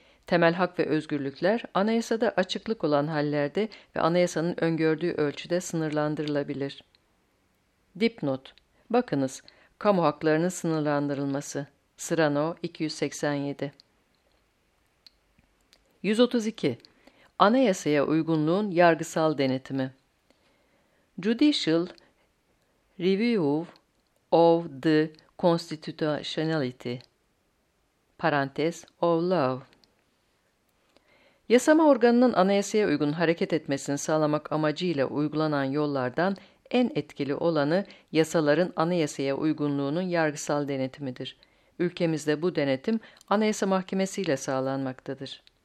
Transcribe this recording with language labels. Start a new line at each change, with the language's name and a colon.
Turkish: Temel hak ve özgürlükler anayasada açıklık olan hallerde ve anayasanın öngördüğü ölçüde sınırlandırılabilir. Dipnot. Bakınız, kamu haklarının sınırlandırılması. Sırano 287. 132. Anayasaya uygunluğun yargısal denetimi.
English: Judicial Review of the Constitutionality,
Turkish: parantez,
English: of Law.
Turkish: Yasama organının anayasaya uygun hareket etmesini sağlamak amacıyla uygulanan yollardan en etkili olanı yasaların anayasaya uygunluğunun yargısal denetimidir. Ülkemizde bu denetim Anayasa Mahkemesi ile sağlanmaktadır.